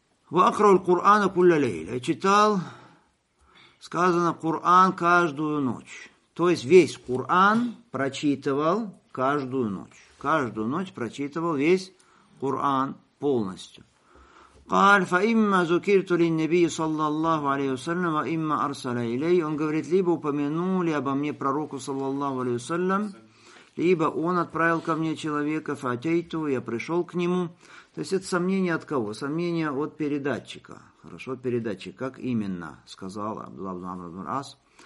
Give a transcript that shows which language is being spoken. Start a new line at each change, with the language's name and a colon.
Arabic: Ва акра аль-Кур'ана кулля лейлит.
Russian: Я читал, сказано, Кур'ан каждую ночь. То есть весь Кур'ан прочитывал каждую ночь. Каждую ночь прочитывал весь Кур'ан полностью.
Arabic: قال فإما ذكرت للنبي صلى الله عليه وسلم وإما أرسل إلي.
Russian: Он говорит, либо упомянули обо мне пророку
Arabic: صلى الله عليه وسلم,
Russian: либо он отправил ко мне человека,
Arabic: فأتيت,
Russian: я пришел к нему. То есть это сомнение от кого? Сомнение от передатчика. Хорошо, передатчик, как именно сказал Абдулла ибн Амр ибн Аль-Ас.